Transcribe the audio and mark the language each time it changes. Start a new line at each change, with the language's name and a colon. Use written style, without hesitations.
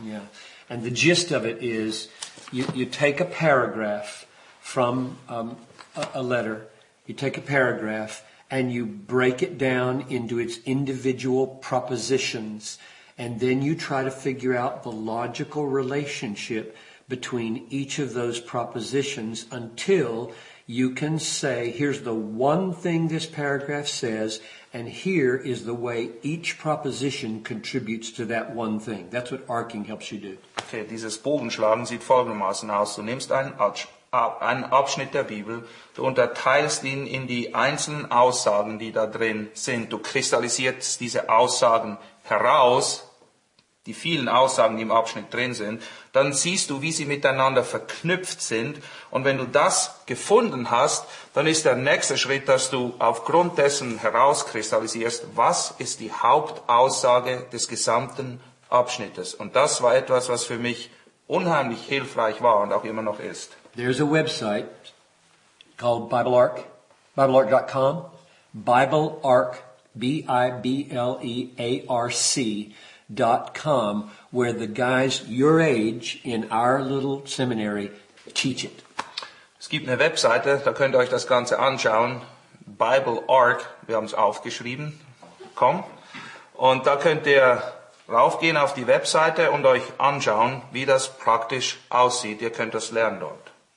English: Yeah. And the gist of it is you take a paragraph from a letter, you take a paragraph and you break it down into its individual propositions, and then you try to figure out the logical relationship between each of those propositions until you can say, here's the one thing this paragraph says, and here is the way each proposition contributes to that one thing. That's what arcing helps you do.
German: Okay, dieses Bogenschlagen sieht folgendermaßen aus. Du nimmst einen Abschnitt der Bibel, du unterteilst ihn in die einzelnen Aussagen, die da drin sind. Du kristallisierst diese Aussagen heraus, die vielen Aussagen, die im Abschnitt drin sind. Dann siehst du, wie sie miteinander verknüpft sind. Und wenn du das gefunden hast, dann ist der nächste Schritt, dass du aufgrund dessen herauskristallisierst, was ist die Hauptaussage des gesamten Abschnittes. Und das war etwas, was für mich unheimlich hilfreich war und auch immer noch ist.
English: There's a website called BibleArk, BibleArk.com, BibleArk, BibleArk.com, where the guys your age in our little seminary teach it.
German: Es gibt eine Webseite, da könnt ihr euch das Ganze anschauen, BibleArk, wir haben es aufgeschrieben, .com, und da könnt ihr raufgehen auf die Webseite und euch anschauen, wie das praktisch aussieht. Ihr könnt das lernen dort.